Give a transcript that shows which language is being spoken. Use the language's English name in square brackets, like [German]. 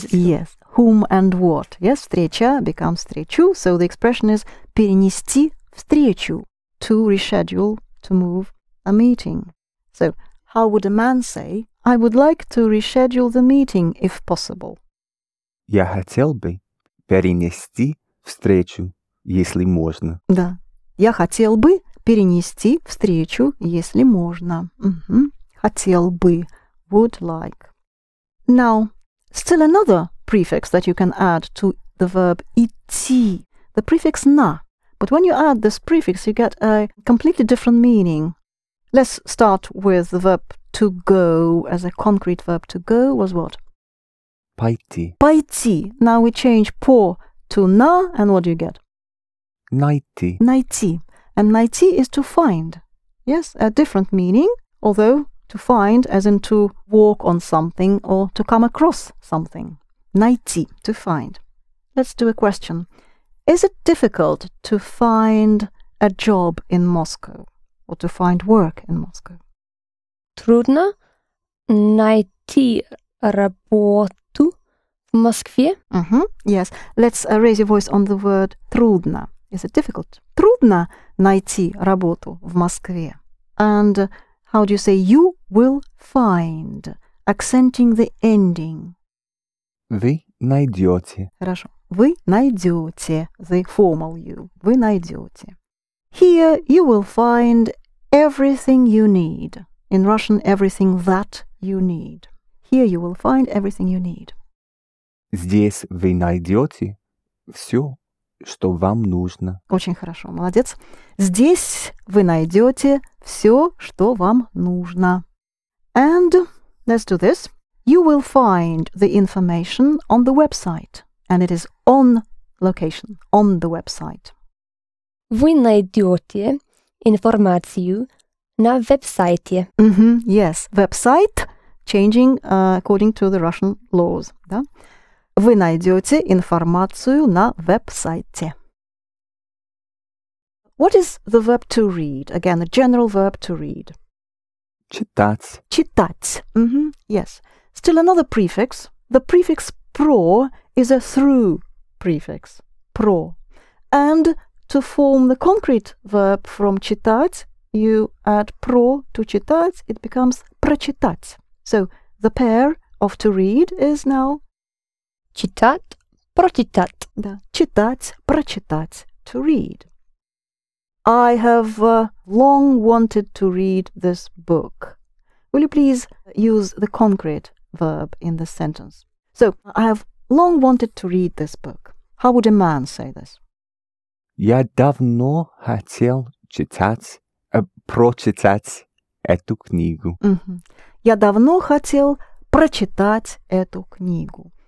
[English] Yes. Whom and what. Yes, встреча becomes встречу. So the expression is [Russian] перенести встречу. [English] To reschedule, to move a meeting. So how would a man say, I would like to reschedule the meeting if possible. [Russian] Я хотел бы перенести встречу, если можно. Да. Я хотел бы перенести встречу, если можно. [English] Mm-hmm. [Russian] Хотел бы. [English] Would like. Now, still another prefix that you can add to the verb идти. The prefix на. But when you add this prefix, you get a completely different meaning. Let's start with the verb to go. As a concrete verb, to go was what? [Russian] Пойти. Пойти. [English] Now we change по to на, and what do you get? [Russian] Найти. [English] Найти. And найти is to find. Yes, a different meaning, although to find as in to walk on something or to come across something. Найти, to find. Let's do a question. Is it difficult to find a job in Moscow or to find work in Moscow? [Russian] Трудно найти работу в Москве. [English] Mm-hmm. Yes, let's raise your voice on the word трудно. Is it difficult? [Russian] Трудно найти работу в Москве. [English] And how do you say you will find, accenting the ending? [Russian] Вы найдете. Хорошо. Вы найдете, [English] the formal you. [Russian] Вы найдете. [English] Here you will find everything you need. In Russian, everything that you need. Here you will find everything you need. [Russian] Здесь вы найдете все, что вам нужно. Очень хорошо, молодец. Здесь вы найдете все, что вам нужно. [English] And let's do this. You will find the information on the website. And it is on location, on the website. [Russian] Вы найдете информацию на веб-сайте. [English] Mm-hmm, yes, website, changing according to the Russian laws. [Russian] Да? Вы найдете информацию на веб-сайте. [English] What is the verb to read? Again, a general verb to read. [Russian] Читать. [English] Читать. Mm-hmm, yes. Still another prefix. The prefix про is a through prefix. Про. And to form the concrete verb from читать, you add про to читать, it becomes прочитать. So the pair of to read is now [Russian] читать, прочитать. Да. Читать, прочитать, [English] to read. I have long wanted to read this book. Will you please use the concrete verb in the sentence? So, I have long wanted to read this book. How would a man say this? [Russian] Я давно хотел читать, прочитать эту книгу. Mm-hmm. Я давно хотел прочитать эту книгу.